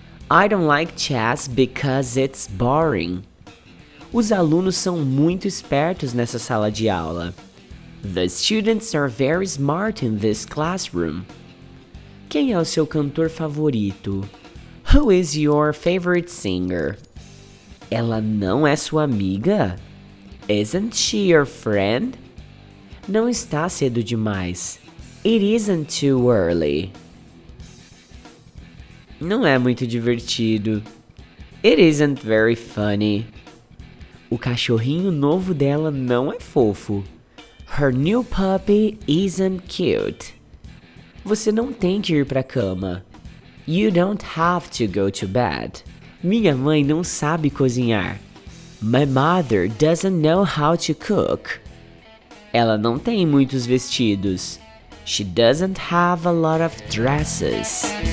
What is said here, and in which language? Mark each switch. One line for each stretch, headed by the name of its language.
English: I don't like chess because it's boring.
Portuguese: Os alunos são muito espertos nessa sala de aula.
English: The students are very smart in this classroom.
Portuguese: Quem é o seu cantor favorito?
English: Who is your favorite singer?
Portuguese: Ela não é sua amiga?
English: Isn't she your friend?
Portuguese: Não está cedo demais.
English: It isn't too early.
Portuguese: Não é muito divertido.
English: It isn't very funny.
Portuguese: O cachorrinho novo dela não é fofo.
English: Her new puppy isn't cute.
Portuguese: Você não tem que ir pra cama.
English: You don't have to go to bed.
Portuguese: Minha mãe não sabe cozinhar.
English: My mother doesn't know how to cook.
Portuguese: Ela não tem muitos vestidos.
English: She doesn't have a lot of dresses.